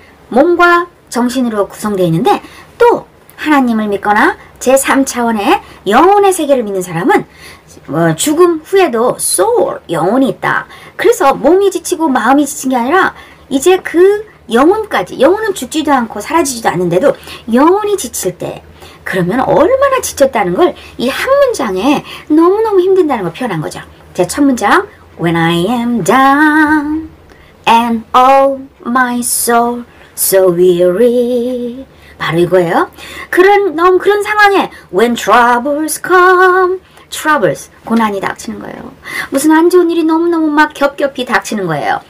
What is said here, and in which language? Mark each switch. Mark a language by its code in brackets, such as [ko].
[ko] 몸과 정신으로 구성되어 있는데 또 하나님을 믿거나 제3차원의 영혼의 세계를 믿는 사람은 죽음 후에도 soul, 영혼이 있다. 그래서 몸이 지치고 마음이 지친 게 아니라 이제 그 영혼까지, 영혼은 죽지도 않고 사라지지도 않는데도 영혼이 지칠 때 그러면 얼마나 지쳤다는 걸 이 한 문장에 너무너무 힘든다는 걸 표현한 거죠. 제 첫 문장 [en] When I am down and all my soul so weary. [ko] 바로 이거예요. 그런 상황에 [en] when troubles come, [ko] troubles 고난이 닥치는 거예요. 무슨 안 좋은 일이 너무너무 막 겹겹이 닥치는 거예요.